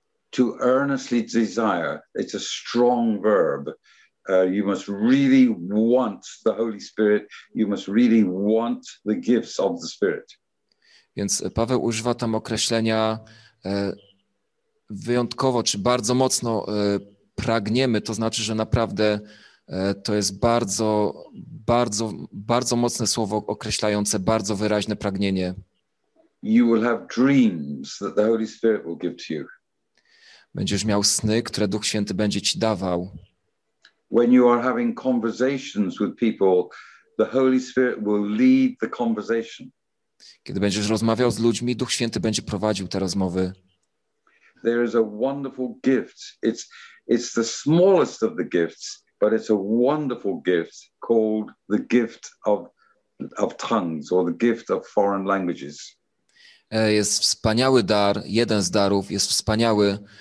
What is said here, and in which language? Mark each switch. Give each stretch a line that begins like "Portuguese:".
English: To earnestly desire, it's a strong verb. You must really want the Holy Spirit. You must really want the gifts of the Spirit.
Polish: Więc Paweł używa tam określenia wyjątkowo, czy bardzo mocno pragniemy. To znaczy, że naprawdę to jest bardzo, bardzo, bardzo mocne słowo określające bardzo wyraźne pragnienie.
English: You will have dreams that the Holy Spirit will give to you.
Polish: Będziesz miał sny, które Duch Święty będzie ci dawał.
English: When you are having conversations with people, the Holy Spirit will lead the conversation.
Polish: Kiedy będziesz rozmawiał z ludźmi, Duch Święty będzie prowadził te rozmowy.
English: There is a wonderful gift. It's the smallest of the gifts, but it's a wonderful gift called the gift of tongues or the gift of foreign languages.
Polish: Jest wspaniały dar, jeden z darów jest wspaniały.